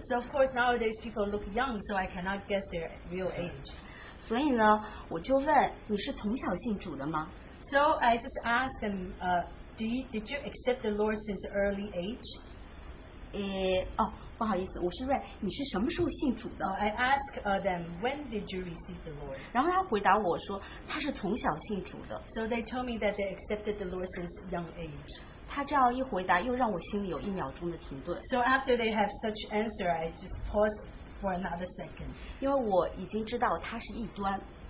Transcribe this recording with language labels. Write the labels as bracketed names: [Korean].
[English] So of course nowadays people look young, so I cannot guess their real age. [Chinese] 所以呢，我就问你是从小信主的吗？ [English] So I just asked them, did you accept the Lord since early age? [Chinese] 不好意思，我是问你是什么时候信主的？ [English] I asked them, when did you receive the Lord? [Chinese] 然后他回答我说，他是从小信主的。 [English] So they told me that they accepted the Lord since young age. [Chinese] 他这样一回答，又让我心里有一秒钟的停顿。 [English] So after they have such answer, I just paused for another second. [Chinese] 因为我已经知道他是异端。